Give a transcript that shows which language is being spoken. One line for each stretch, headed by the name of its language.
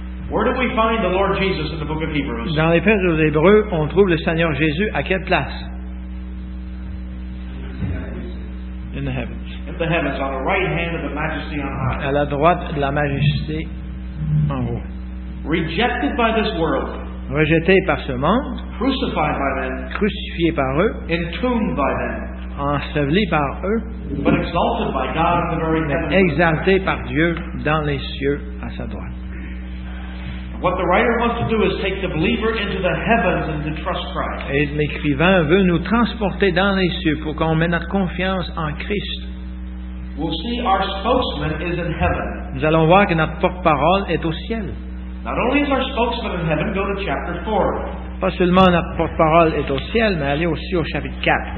English: Where do we find the Lord Jesus in the book of Hebrews?
French: Dans l'épître aux Hébreux, on trouve le Seigneur Jésus à quelle place?
English: In the heavens. In the heavens, on the right hand of the majesty on high.
French: À la droite de la majesté en haut.
English: Rejected by this world.
French: Rejeté par ce monde.
English: Crucified by them.
French: Crucifié par eux.
English: Entombed by them.
French: Enseveli par eux,
English: but exalted by God in the very heavens.
French: Exalté par Dieu dans les cieux à sa droite.
English: What the writer wants to do is take the believer into the heavens and to trust Christ.
French: Et l'écrivain veut nous transporter dans les cieux pour qu'on mette notre confiance en Christ.
English: We'll see our spokesman is in heaven.
French: Nous allons voir que notre porte-parole est au ciel.
English: Not only is our spokesman in heaven, go to chapter 4.
French: Pas seulement notre porte-parole est au ciel, mais allez aussi au chapitre 4.